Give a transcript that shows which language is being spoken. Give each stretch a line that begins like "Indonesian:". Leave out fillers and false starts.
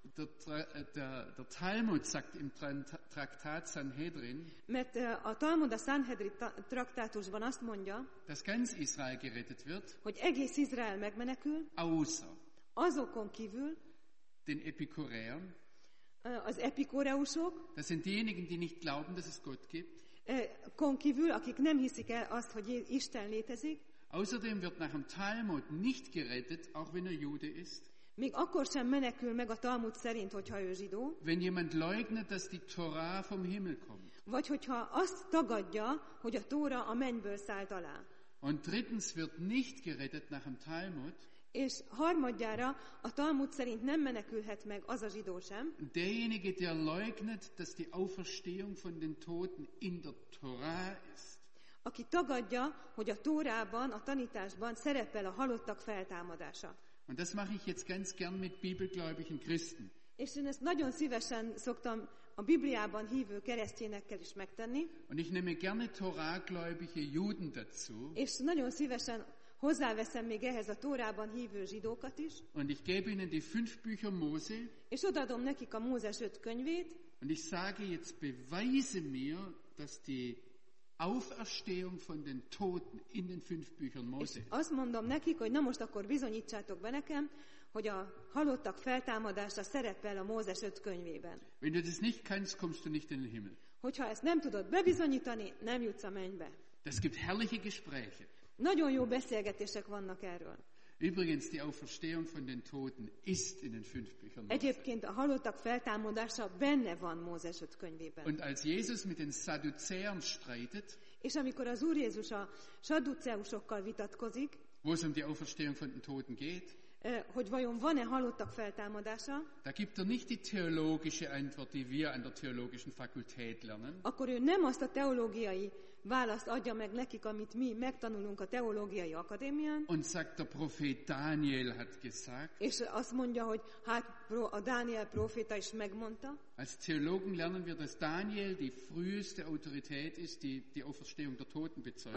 German: Der Talmud sagt im Traktát Sanhedrin,
Hungarian: mert a Talmud a Sanhedrin traktátusban azt mondja,
German: dass ganz Israel gerettet wird,
Hungarian: hogy egész Izrael megmenekül,
German: außer
Hungarian: azokon kívül,
German: den Epikuréern,
Hungarian: az epikoreusok,
German: das sind diejenigen, die nicht glauben, dass es Gott gibt,
Hungarian: konkívül, akik nem hiszik el azt, hogy Isten létezik.
German: Außerdem wird nach dem Talmud nicht gerettet, auch wenn Jude ist.
Hungarian: Még akkor sem menekül meg a Talmud szerint, hogyha ő zsidó.
German: Wenn jemand leugnet, dass die Torah vom Himmel kommt.
Hungarian: Vagy hogyha azt tagadja, hogy a Tóra a mennyből szállt alá.
German: Und drittens wird nicht gerettet nach dem Talmud.
Hungarian: És harmadjára a Talmud szerint nem menekülhet meg az a zsidó sem.
German: Derjenige, der leugnet, dass die Auferstehung von den Toten in der Torah ist.
Hungarian: Aki tagadja, hogy a Tórában, a tanításban szerepel a halottak feltámadása.
German: Und das mache ich jetzt ganz gern mit bibelgläubigen Christen.
Hungarian: És én ezt nagyon szívesen szoktam a Bibliában hívő keresztényekkel is megtenni.
German: Und ich nehme gerne Torágläubige Juden dazu.
Hungarian: És nagyon szívesen hozzáveszem még ehhez a Tórában hívő zsidókat is.
German: Und ich gebe ihnen die fünf Bücher Mose.
Hungarian: És odaadom nekik a Mózes öt könyvét.
German: Und ich sage jetzt, beweise mir, dass die Auferstehung von den Toten in den fünf Büchern Mose.
Hungarian: És azt mondom nekik, hogy na most akkor bizonyítsátok be nekem, hogy a halottak feltámadása szerepel a Mózes öt könyvében.
German: Wenn du das nicht kannst, kommst du nicht in den Himmel.
Hungarian: Hogyha ezt nem tudod bebizonyítani, nem jutsz a mennybe.
German: Das gibt herrliche Gespräche.
Hungarian: Nagyon jó beszélgetések vannak erről.
German: Übrigens, die Auferstehung von den Toten ist in den fünf Büchern Mose.
Hungarian: Egyébként a halottak feltámadása benne van Mózes öt könyvében.
German: Und als Jesus mit den Sadduzäern streitet,
Hungarian: és amikor az Úr Jézus a sadduceusokkal vitatkozik,
German: wo es um die Auferstehung von den Toten geht,
Hungarian: hogy vajon van-e halottak feltámadása,
German: da gibt er nicht die theologische Antwort, die wir an der theologischen Fakultät lernen,
Hungarian: akkor ő nem azt a teológiai választ adja meg nekik, amit mi megtanulunk a teológiai akadémián,
German: und sagt, der Prophet Daniel hat gesagt,
Hungarian: és azt mondja, hogy hát a Dániel proféta is megmondta,
German: als Theologen lernen wir, dass Daniel die früheste Autorität ist, die die Auferstehung der Toten bezeugt.